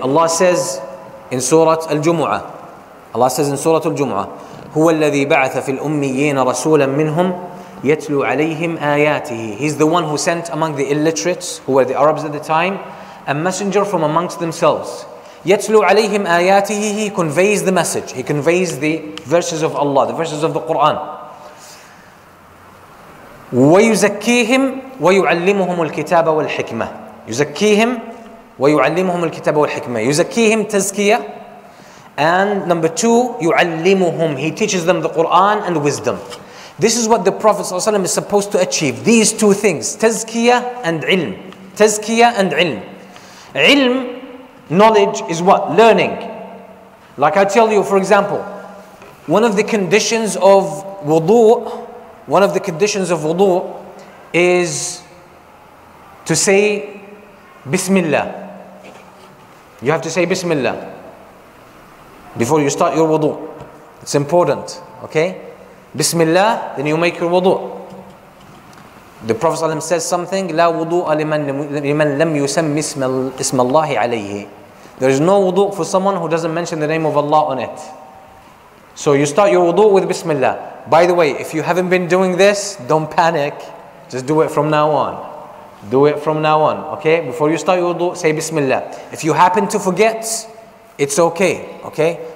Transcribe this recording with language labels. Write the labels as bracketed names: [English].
[English] Allah says in Surah Al-Jumu'ah, Allah says in Surah Al-Jumu'ah, [Arabic] هو الذي بعث في الأميين رسولا منهم يتلو عليهم آياته. [English] He's the one who sent among the illiterates, who were the Arabs at the time, a messenger from amongst themselves. [Arabic] يتلو عليهم آياته. [English] He conveys the message. He conveys the verses of Allah, the verses of the Quran. [Arabic] ويزكيهم ويعلمهم الكتاب والحكمة. يزكيهم ويعلمهم الكتاب والحكمة. يزكيهم تزكية. [English] And number two, يعلمهم. He teaches them the Quran and wisdom. This is what the Prophet ﷺ is supposed to achieve. These two things, تزكية and علم. تزكية and علم. علم, knowledge, is what? Learning. Like I tell you, for example, one of the conditions of wudu, one of the conditions of wudu is to say Bismillah. You have to say Bismillah before you start your wudu. It's important, okay? Bismillah, then you make your wudu. The Prophet ﷺ says something, [Arabic] لا وضوء لمن لم يسمى اسم الله عليه. [English] There is no wudu for someone who doesn't mention the name of Allah on it. So you start your wudu with Bismillah. By the way, if you haven't been doing this, don't panic. Just do it from now on. Do it from now on, okay? Before you start your wudu, say Bismillah. If you happen to forget, it's okay, okay?